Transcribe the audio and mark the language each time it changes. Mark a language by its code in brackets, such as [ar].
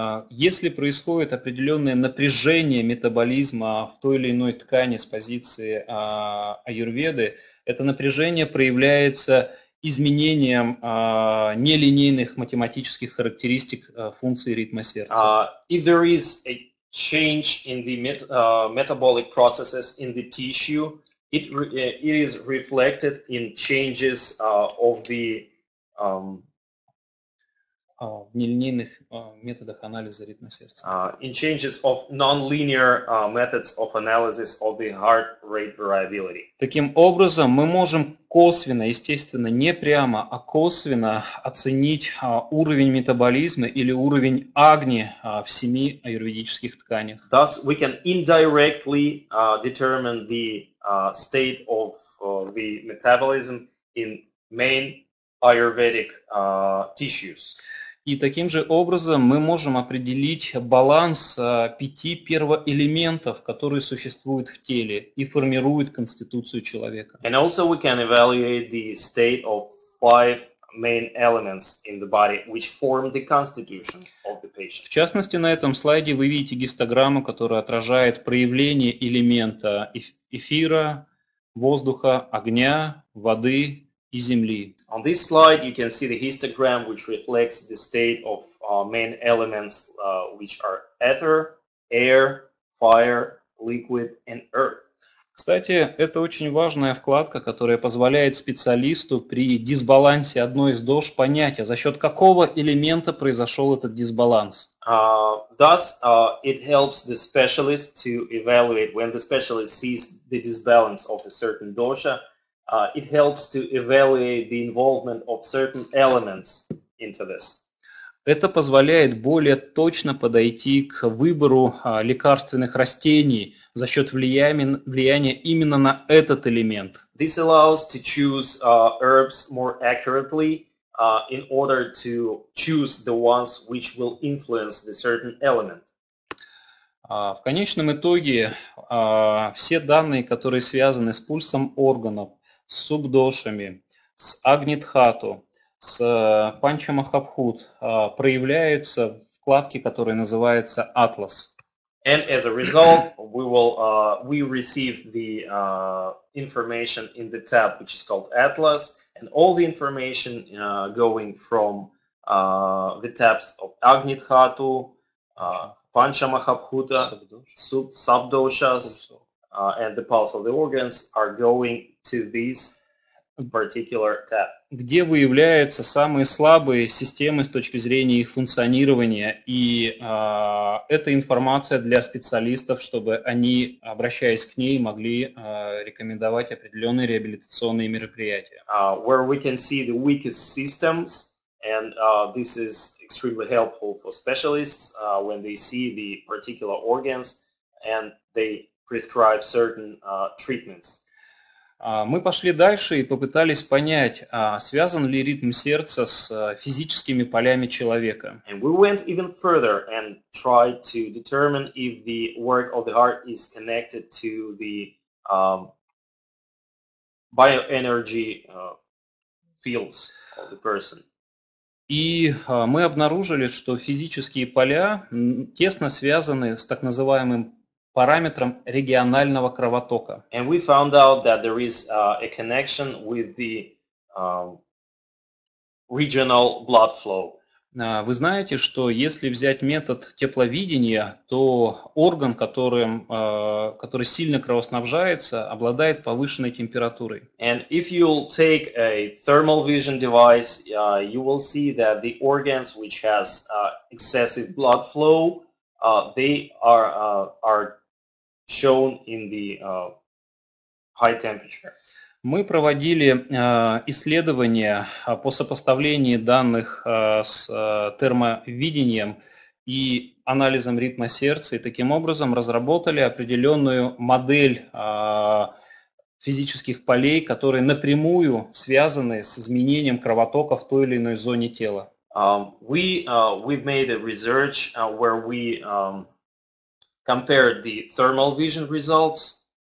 [ru] Если происходит определенное напряжение метаболизма в той или иной ткани с позиции аюрведы, это напряжение проявляется изменением нелинейных математических характеристик функции ритма сердца. [en] If there is a change in the metabolic processes in the tissue, it is reflected in changes of the [ru] в нелинейных методах анализа ритма сердца. [en] In changes of non-linear methods of analysis of the heart rate variability. [ru] Таким образом, мы можем косвенно, естественно, не прямо, а косвенно оценить уровень метаболизма или уровень агни в семи аюрведических тканях. [en] Thus, we can indirectly determine the state of the metabolism in main ayurvedic tissues. [ru] И таким же образом мы можем определить баланс пяти первоэлементов, которые существуют в теле и формируют конституцию человека. [en] And also we can evaluate the state of five main elements in the body, which form the constitution of the patient. [ru] В частности, на этом слайде вы видите гистограмму, которая отражает проявление элемента эфира, воздуха, огня, воды. [en] On this slide, you can see the histogram, which reflects the state of main elements, which are ether, air, fire, liquid, and earth. [ru] Кстати, это очень важная вкладка, которая позволяет специалисту при дисбалансе одной из дож понять, за счет какого элемента произошел этот дисбаланс. [en] It helps the specialist to evaluate when the specialist sees the disbalance of a certain dosha. It helps to evaluate the involvement of certain elements into this. [ru] Это позволяет более точно подойти к выбору лекарственных растений за счет влияния именно на этот элемент. [en] This allows to choose herbs more accurately in order to choose the ones which will influence the certain element. [ru] В конечном итоге все данные, которые связаны с пульсом органов, с субдошами, с агнитхату, с панчамахабхут проявляются в вкладке, которая называется Atlas. [en] And as a result, we will we receive the information in the tab, which is called Atlas, and all the information going from the tabs of Agnidhatu, Panchamahabhuta, Subdoshas, and the pulse of the organs are going to these particular tab. [ru] Где выявляются самые слабые системы с точки зрения их функционирования, и это информация для специалистов, чтобы они, обращаясь к ней, могли рекомендовать определенные реабилитационные мероприятия. [en] Where we can see the weakest systems, and this is extremely helpful for specialists when they see the particular organs and they prescribe certain treatments. [ru] Мы пошли дальше и попытались понять, связан ли ритм сердца с физическими полями человека. [en] And we went even further and tried to determine if the work of the heart is connected to the bioenergy fields of the person. [ru] И мы обнаружили, что физические поля тесно связаны с так называемым параметром регионального кровотока. [en] And we found out that there is a connection with the regional blood flow. [ru] Вы знаете, что если взять метод тепловидения, то орган, который сильно кровоснабжается, обладает повышенной температурой. [en] And if you'll take a thermal vision device, you will see that the organs which has excessive blood flow, they are shown in the high temperature. [ru] Мы проводили исследования по сопоставлению данных с термовидением и анализом ритма сердца, и таким образом разработали определенную модель физических полей, которые напрямую связаны с изменением кровотока в той или иной зоне тела. [en] We've made a research where we compared the thermal vision results